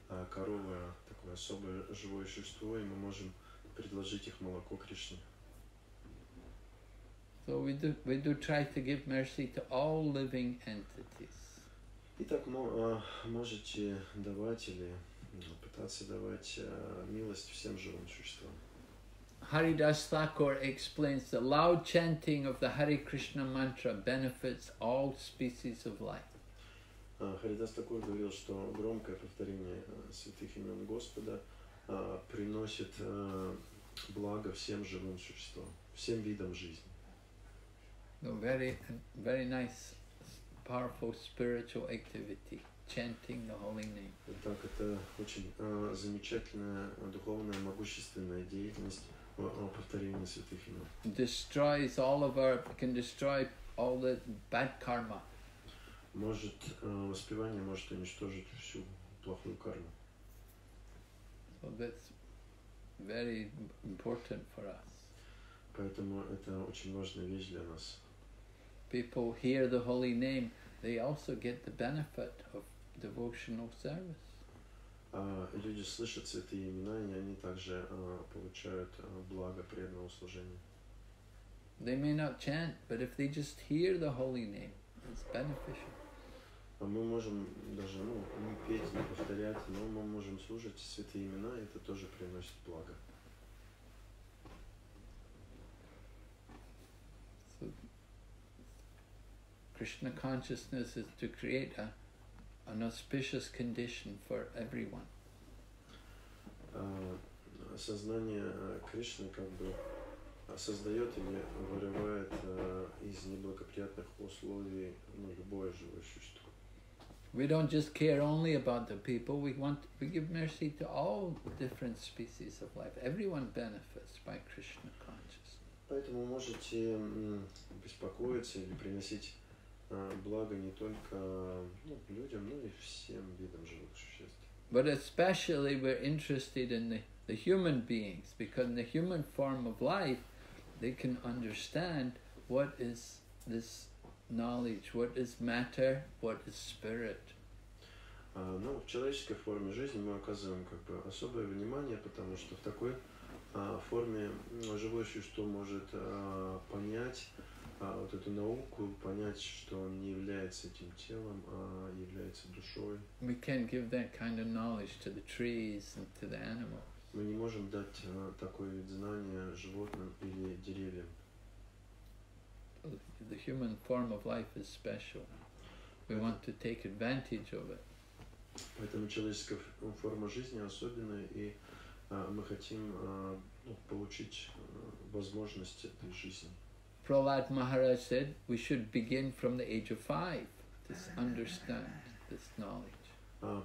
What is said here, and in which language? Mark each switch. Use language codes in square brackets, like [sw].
[ru] Коровы – такое особое живое существо, и мы можем предложить их молоко Кришне. [en] So we do try to give mercy to all living entities. [ru] Итак, можете давать или пытаться давать милость всем живым существам. [en] Haridas Thakur explains the loud chanting of the Hare Krishna mantra benefits all species of life. [ru] Haridas Thakur говорил, что громкое повторение святых имен Господа приносит благо всем живым существам, всем видам жизни. [en] No, very, very nice, powerful spiritual activity, chanting the holy name. [ru] Так, это очень замечательная духовная могущественная деятельность повторения святых имен. [en] Destroys all of our, can destroy all the bad karma. [ru] Может, воспевание может уничтожить всю плохую карму. [en] So that's very important for us. [ru] Поэтому это очень важная вещь для нас. [en] People hear the holy name, they also get the benefit of devotional service. [ru] Люди слышат святые имена, и они также получают благо преданного служения. [en] They may not chant, but if they just hear the holy name, it's beneficial. [ru] Мы можем даже, ну, не петь, не повторять, но мы можем слушать святые имена, и это тоже приносит благо. [en] Krishna consciousness is to create an auspicious condition for everyone. [ru] Сознание Кришны как бы создает или вырывает из неблагоприятных условий любое живое существо. [en] We don't just care only about the people. We give mercy to all different species of life. Everyone benefits by Krishna consciousness. [ru] Поэтому можете беспокоиться или приносить благо не только людям, но и всем видам живых существ. [en] But especially we're interested in the human beings, because in the human form of life, they can understand what is this knowledge, what is matter, what is spirit. [ru] Ну, в человеческой форме жизни мы оказываем как бы особое внимание, потому что в такой форме живое существо может понять вот эту науку, понять, что он не является этим телом, а является душой. [en] We can't give that kind of knowledge to the trees and to the animals. [ru] Мы не можем дать такой вид знания животным или деревьям. [en] The human form of life is special. We want to take advantage of it. [ru] Поэтому человеческая форма жизни особенная, и мы хотим получить возможность этой жизни. [en] Prahlad Maharaj said, we should begin from the age of 5 to understand this knowledge.